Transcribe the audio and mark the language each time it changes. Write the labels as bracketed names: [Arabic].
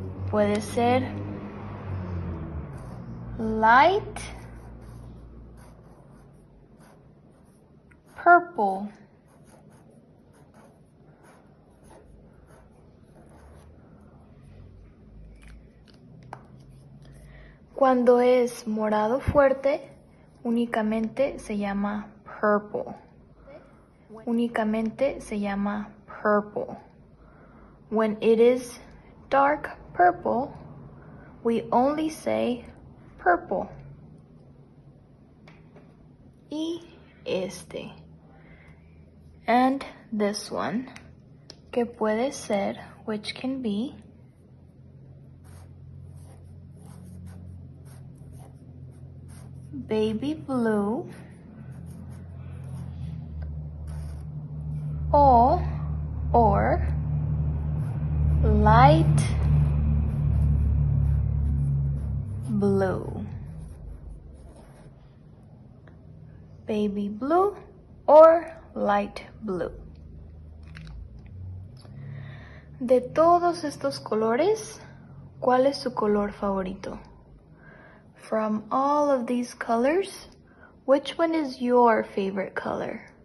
[Spanish] Puede ser light purple cuando es morado fuerte, únicamente se llama purple. Únicamente se llama purple. [English] When it is dark purple, we only say purple. [Spanish] Y este. [English] And this one, [Spanish] que puede ser, [English] which can be baby blue or light blue. Baby blue or light blue. [Spanish] De todos estos colores, ¿cuál es su color favorito? [English] From all of these colors, which one is your favorite color?